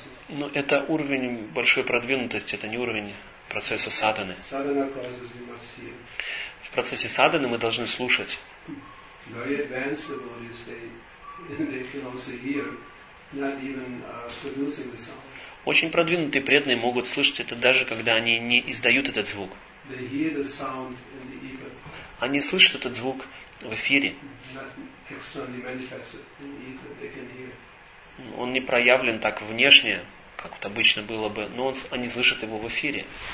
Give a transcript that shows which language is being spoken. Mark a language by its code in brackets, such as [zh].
[ru] Но это уровень большой продвинутости, это не уровень процесса садханы. В процессе садханы мы должны слушать. [en] Very advanced devotees, they can also hear, not even producing the sound. [ru] Очень продвинутые преданные могут слышать это даже когда они не издают этот звук. [en] They hear the sound in the ether. [ru] Они слышат этот звук в эфире. [en] Not externally manifested in the ether, they can hear. [ru] Он не проявлен так внешне, как вот обычно было бы, но они слышат его в эфире.